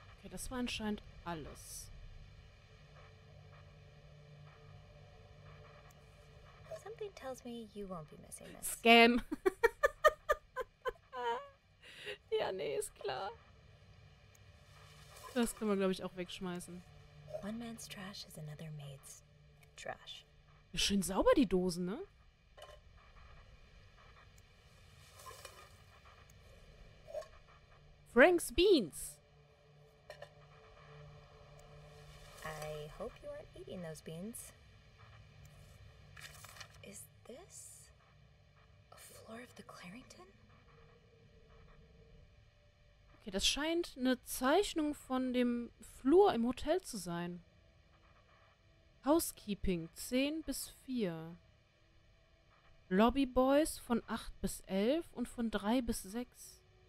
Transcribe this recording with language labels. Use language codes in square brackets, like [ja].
[de] Das war anscheinend alles. [en] Something tells me you won't be missing this. Scam. [de] Ja, nee, ist klar. Das kann man, glaube ich, auch wegschmeißen. [en] One man's trash is another maid's trash. [de] Schön sauber die Dosen, ne? Frank's Beans. [en] I hope you aren't eating those beans. Is this a floor of the Clarington? [de] Okay, das scheint eine Zeichnung von dem Flur im Hotel zu sein. Housekeeping 10 bis 4. Lobby Boys von 8 bis 11 und von 3 bis 6.